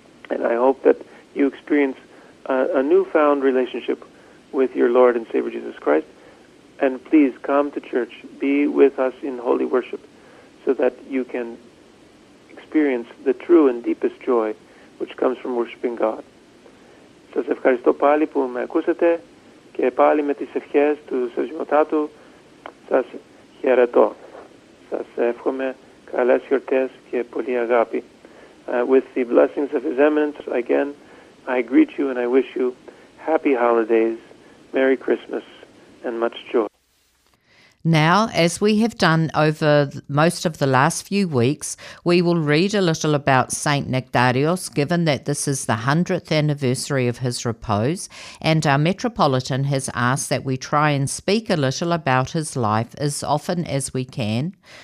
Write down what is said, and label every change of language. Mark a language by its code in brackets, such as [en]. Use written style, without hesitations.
[en] And I hope that you experience a newfound relationship with your Lord and Savior Jesus Christ. And please come to church. Be with us in holy worship so that you can experience the true and deepest joy which comes from worshiping God. [el] Σας ευχαριστώ πάλι που με ακούσατε και πάλι με τις ευχές του Σεβασμιωτάτου σας χαιρετώ. Σας εύχομαι καλές γιορτές και πολλή αγάπη. [en] With the blessings of His Eminence, again, I greet you and I wish you happy holidays, Merry Christmas, and much joy. Now, as we have done over most of the last few weeks, we will read a little about Saint Nectarios, given that this is the 100th anniversary of his repose, and our Metropolitan has asked that we try and speak a little about his life as often as we can.